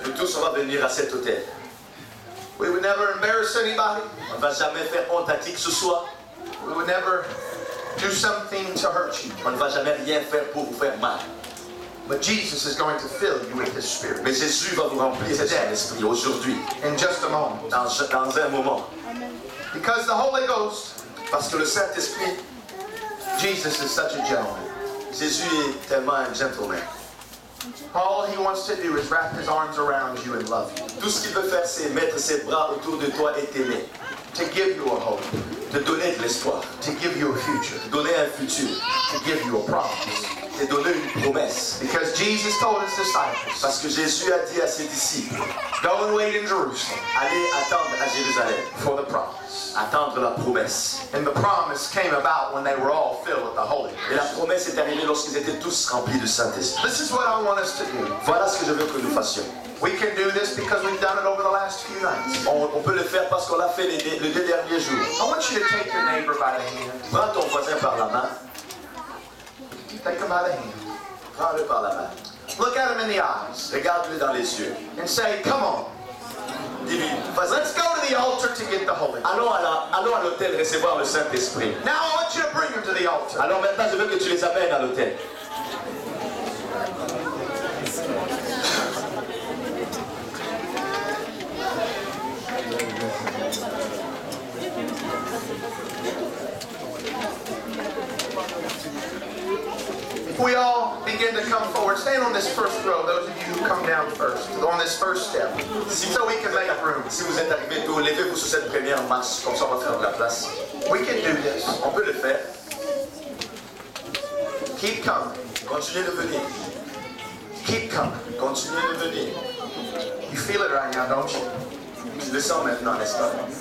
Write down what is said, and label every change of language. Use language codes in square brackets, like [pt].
[fr] Nous tous, on va venir à cet autel. [en] We would never embarrass anybody. [fr] On ne va jamais faire honte à qui que ce soit. [en] We would never do something to hurt you. [fr] On ne va jamais rien faire pour vous faire mal. [en] But Jesus is going to fill you with His Spirit. [fr] Mais Jésus va vous remplir de Son Esprit aujourd'hui. [en] In just a moment. [fr] Dans un moment. [en] Because the Holy Ghost. [fr] Parce que le Saint Esprit. [en] Jesus is such a gentleman. [fr] Jésus est tellement un gentleman. [en] All He wants to do is wrap His arms around you and love you. [fr] Tout ce qu'il veut faire, c'est mettre ses bras autour de toi et t'aimer. [en] To give you a hope. [fr] De donner de l'espoir. [en] To give you a future. [fr] De donner un futur. [en] To give you a promise. [fr] De donner une promesse. [en] Because Jesus told His disciples. [fr] Parce que Jésus a dit à ses disciples. [en] Go and wait in Jerusalem. [fr] Allez attendre à Jérusalem. [en] For the promise. [fr] Attendre la promesse. [en] And the promise came about when they were all filled with the Holy Ghost. [fr] Et la promesse est arrivée lorsqu'ils étaient tous remplis de Saint-Esprit. [en] This is what I want us to do. [fr] Voilà ce que je veux que nous fassions. [en] We can do this because we've done it over the last few nights. [fr] On peut le faire parce qu'on l'a fait les deux derniers jours. [en] I want you to take your neighbor by the hand. [fr] Prends ton voisin par la main. [en] Take him by the hand. [fr] Prends-le par la main. [en] Look at him in the eyes. [fr] Regarde-le dans les yeux. [en] And say, come on. Let's go to the altar to get the Holy Ghost. [fr] Allons à l'autel recevoir le Saint-Esprit. [en] Now I want you to bring him to the altar. [fr] Alors maintenant je veux que tu les amènes à l'autel. [en] If we all begin to come forward, stand on this first row, those of you who come down first, on this first step, so we can make room. [fr] Si vous êtes arrivé tôt, levez-vous sur cette première marche, comme ça on va faire de la place. [en] We can do this. [fr] On peut le faire. [en] Keep coming. [fr] Continuez de venir. [en] Keep coming. [fr] Continuez de venir. [en] You feel it right now, don't you? [fr] Tu le sens maintenant, n'est-ce pas?